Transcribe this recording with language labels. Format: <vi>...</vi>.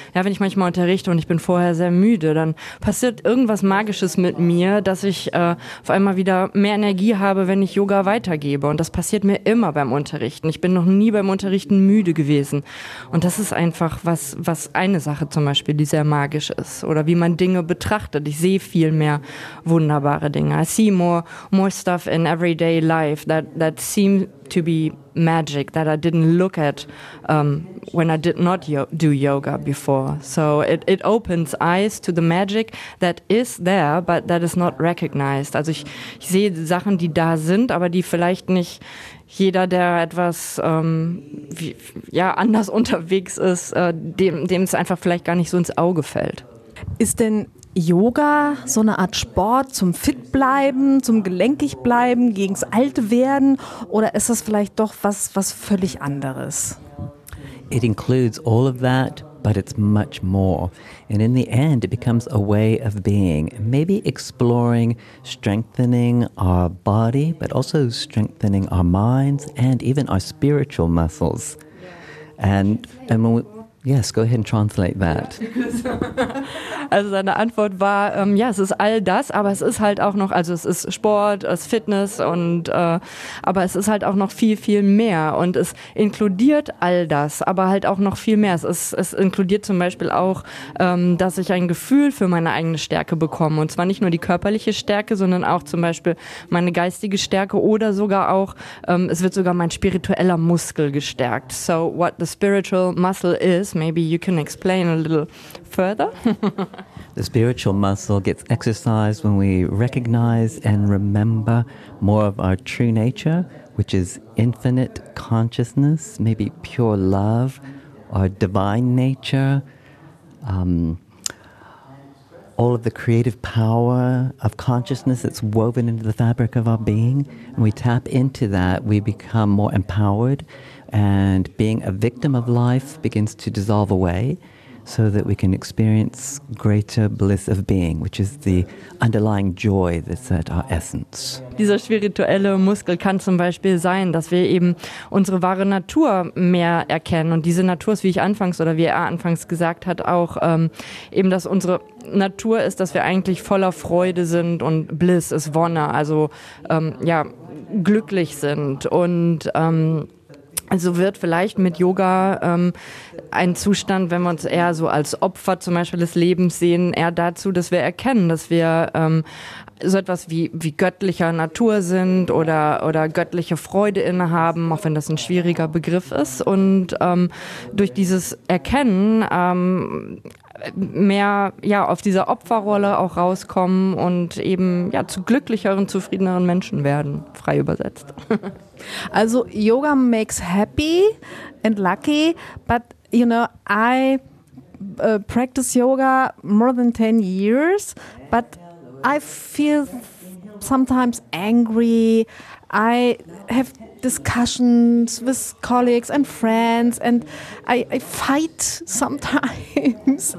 <de>Ja, wenn ich manchmal unterrichte und ich bin vorher sehr müde, dann passiert irgendwas Magisches mit mir, dass ich auf einmal wieder mehr Energie habe, wenn ich Yoga weitergebe. Und das passiert mir immer beim Unterrichten. Ich bin noch nie beim Unterrichten müde gewesen. Und das ist einfach was eine Sache zum Beispiel, die sehr magisch ist. Oder wie man Dinge betrachtet. Ich sehe viel mehr wunderbare Dinge.</de> <en>I see more stuff in everyday life that seem to be magic that I didn't look at when I did not do yoga before. So it opens eyes to the magic that is there, but that is not recognized.</en> <de>Also ich sehe Sachen, die da sind, aber die vielleicht nicht jeder, der etwas anders unterwegs ist, dem es einfach vielleicht gar nicht so ins Auge fällt. Ist denn Yoga, so eine Art Sport zum Fitbleiben, zum Gelenkigbleiben, gegens Altwerden? Oder ist das vielleicht doch was völlig anderes?</de> <en>It includes all of that, but it's much more. And in the end, it becomes a way of being. Maybe exploring, strengthening our body, but also strengthening our minds and even our spiritual muscles. And when we, Yes, go ahead and translate that.</en> <de>Also seine Antwort war, ja, es ist all das, aber es ist halt auch noch, also es ist Sport, es ist Fitness und aber es ist halt auch noch viel, viel mehr und es inkludiert all das, aber halt auch noch viel mehr. Es inkludiert zum Beispiel auch, dass ich ein Gefühl für meine eigene Stärke bekomme und zwar nicht nur die körperliche Stärke, sondern auch zum Beispiel meine geistige Stärke oder sogar auch, es wird sogar mein spiritueller Muskel gestärkt.</de> <en>So what the spiritual muscle is, maybe you can explain a little further. The spiritual muscle gets exercised when we recognize and remember more of our true nature, which is infinite consciousness, maybe pure love, our divine nature, all of the creative power of consciousness that's woven into the fabric of our being. And we tap into that, we become more empowered, and being a victim of life begins to dissolve away. So that we can experience greater bliss of being, which is the underlying joy that's at our essence.</en> <de>Dieser spirituelle Muskel kann zum Beispiel sein, dass wir eben unsere wahre Natur mehr erkennen. Und diese Natur ist, wie er anfangs gesagt hat, auch eben, dass unsere Natur ist, dass wir eigentlich voller Freude sind und Bliss ist Wonne, also ja, glücklich sind. Und also wird vielleicht mit Yoga ein Zustand, wenn wir uns eher so als Opfer zum Beispiel des Lebens sehen, eher dazu, dass wir erkennen, dass wir so etwas wie göttlicher Natur sind oder göttliche Freude innehaben, auch wenn das ein schwieriger Begriff ist. Und durch dieses Erkennen mehr ja auf dieser Opferrolle auch rauskommen und eben ja zu glücklicheren, zufriedeneren Menschen werden, frei übersetzt.</de> <en>Also Yoga makes happy and lucky, but you know, I practice yoga more than 10 years, but I feel sometimes angry. I have discussions with colleagues and friends, and I fight sometimes.</en>